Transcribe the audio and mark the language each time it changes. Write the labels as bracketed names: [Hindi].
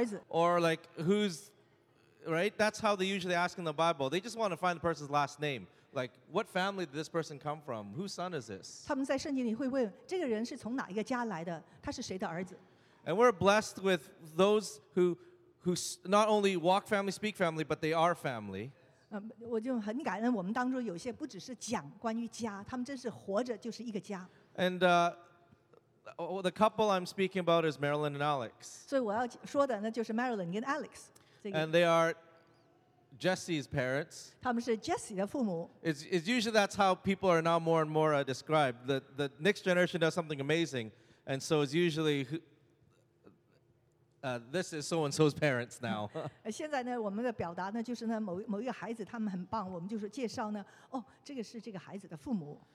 [English] Or like, "Who's?" Right? That's how they usually ask in the Bible. They just want to find the person's last name. Like, what family did this person come from? Whose son is this? [Chinese] 他们在圣经里会问, 这个人是从哪一个家来的? 他是谁的儿子? [English] And we're blessed with those who not only walk family, speak family, but they are family. [Chinese] 我就很感恩我们当中有些不只是讲关于家, 他们真是活着就是一个家。 [English] And the couple I'm speaking about is Marilyn and Alex. [Chinese] 所以我要说的那就是 Marilyn 跟 Alex。 [English] And they are Jesse's parents. [Chinese] 他们是Jesse的父母。 [English] It's usually that's how people are now more and more described. The next generation does something amazing, and so it's usually this is so and so's parents now. [Chinese] 现在呢，我们的表达呢，就是呢，某一个孩子他们很棒，我们就是介绍呢，哦，这个是这个孩子的父母。